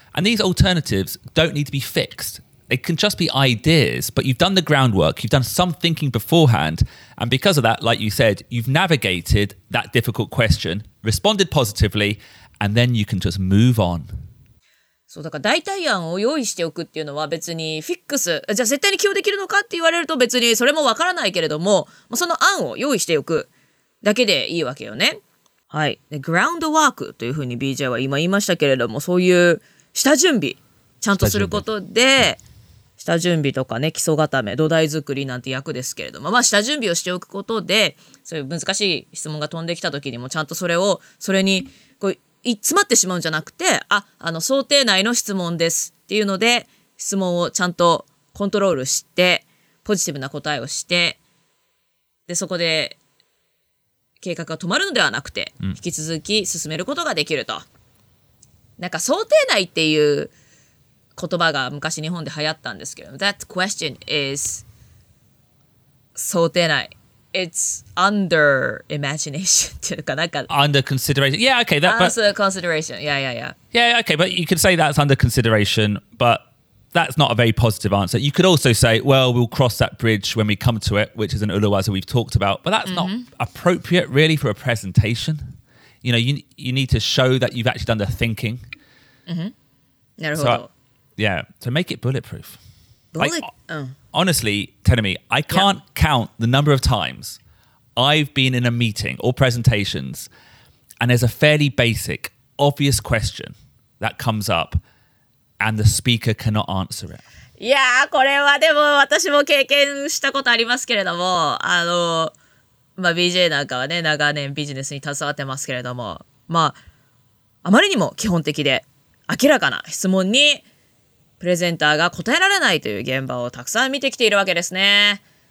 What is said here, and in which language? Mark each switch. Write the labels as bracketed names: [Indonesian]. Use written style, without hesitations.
[English] And these alternatives don't need to be fixed. They can just be ideas, but you've done the groundwork, you've done some thinking beforehand, and because of that, like you said, you've navigated that difficult question, responded positively, and then you can just move on. [Japanese] そうだから代替案を用意しておくっていうのは別にフィックス、じゃあ絶対に起用できるのかって言われると別にそれもわからないけれども、その案を用意しておくだけでいいわけよね。はい、グラウンドワークというふうに BJ は今言いましたけれども、そういう下準備ちゃんとすることで、下準備とかね、基礎固め、土台作りなんて役ですけれども、まあ下準備をしておくことで、そういう難しい質問が飛んできた時にもちゃんとそれをそれにこう詰まってしまうんじゃなくて、あの想定内の質問ですっていうので、質問をちゃんとコントロールしてポジティブな答えをして、でそこで計画が止まるのではなくて引き続き進めることができると、なんか想定内っていう言葉が昔日本で流行ったんですけど、 [English] That question is [Japanese] 想定内、 [English] It's under imagination [Japanese] っていうか、なんか [English] Under consideration. Yeah, okay, that, but under consideration. Yeah, yeah, yeah. Yeah, okay, but you could say that's under consideration, but that's not a very positive answer. You could also say, well, we'll cross that bridge when we come to it, which is an uluwaza we've talked about, but that's not appropriate really for a presentation. You know, you need to show that you've actually done the thinking. [Japanese] Mm-hmm. なるほど。 [English] Yeah, to make it bulletproof. Honestly, Tenami, I can't count the number of times I've been in a meeting or presentations and there's a fairly basic, obvious question that comes up and the speaker cannot answer it. [Japanese] いやー、これはでも私も経験したことありますけれども、まあ、BJ なんかはね、長年ビジネスに携わってますけれども、まあ、あまりにも基本的で明らかな質問にプレゼンターが答えられないという現場をたくさん見てきているわけですね。